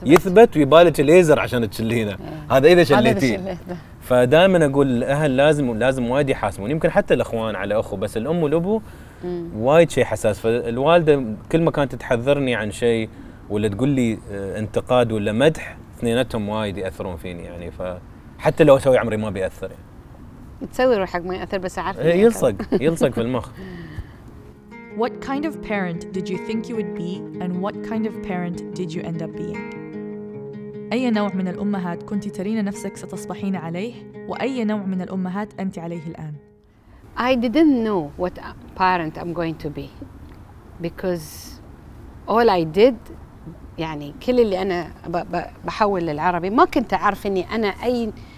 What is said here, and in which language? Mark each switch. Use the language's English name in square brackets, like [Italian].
[Arabic] يثبت ويبالك الليزر عشان تشلينه هذا اذا شليتيه فدائما اقول الاهل لازم وايد يحاسبون يمكن حتى الاخوان على اخو بس الام والابو وايد شيء حساس فالوالده كل ما كانت تحذرني عن شيء ولا تقول لي انتقاد ولا مدح اثنينتهم وايد ياثرون فيني يعني فحتى لو اسوي عمري ما بياثر تسوي روحك ما ياثر بس عارف يلصق في المخ [English] What kind of parent did you think you would be and what kind of parent did you end up being? [Arabic] أي نوع من الأمهات كنت ترين نفسك ستصبحين عليه وأي نوع من الأمهات أنت عليه الآن؟ [English] I didn't know what parent I'm going to be because all I did [Arabic] يعني كل اللي أنا بحول للعربي ما كنت أعرف أني أنا أي